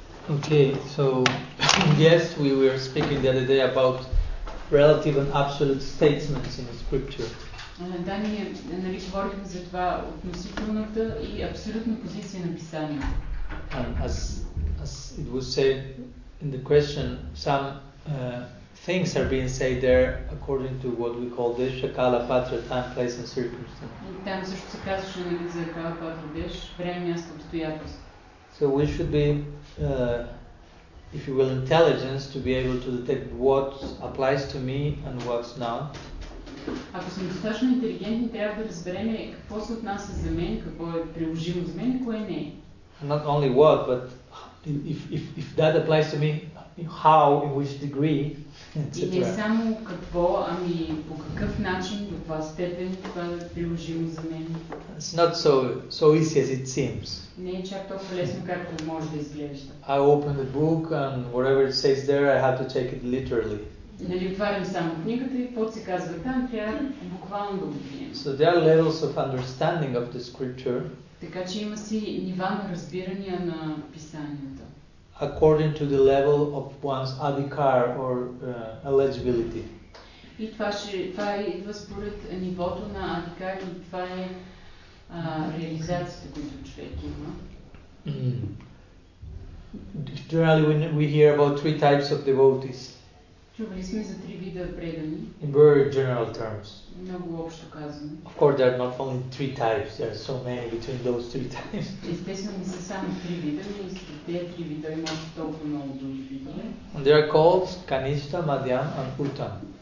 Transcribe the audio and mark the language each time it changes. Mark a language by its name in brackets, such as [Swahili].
[English] Okay, so yes, we were speaking the other day about relative and absolute statements in the scripture. [Bulgarian] Да, ние нали говорихме за това относителната и абсолютна позиция на писание. [English] As it was said in the question, some things are being said there according to what we call desha, kala, patra, time, place and circumstance. [Bulgarian] Там също се казваше нали за кала, патра, деш, време, място, обстоятелство. [English] So we should be if you will, intelligence to be able to detect what applies to me and what's not. [Bulgarian] Ако сме достатъчно интелигентни, трябва да разберем какво се отнася за мен, какво е приложимо за мен и кое не. [English] Not only what, but if that applies to me, how, in which degree, etc. [Bulgarian] И не само какво, ами по какъв начин, до каква степен това е приложимо за мен. [English] It's not so easy as it seems. [Bulgarian] Не е чак толкова лесно, както може да изглежда. [English] I open the book and whatever it says there, I have to take it literally. [Bulgarian] Нали отварям само книгата и каквото се казва там, трябва буквално да го приемем. [English] So there are levels of understanding of the scripture. [Bulgarian] Така че има си нива на разбирания на писанията. [English] According to the level of one's adhikar or eligibility. [Bulgarian] И това идва според нивото на адикар и това е реализацията, която човек има. [English] Generally we hear about three types of devotees. [Bulgarian] Чували сме за три вида предани. [English] In very general terms. [Bulgarian] Много общо казано. [English] Of course, there are not only three types. There are so many between those three types. [Bulgarian] Естествено не са само три вида, но и те три вида има толкова много други видове. [English] And they are called Kanishta, Madhyam and Uttam.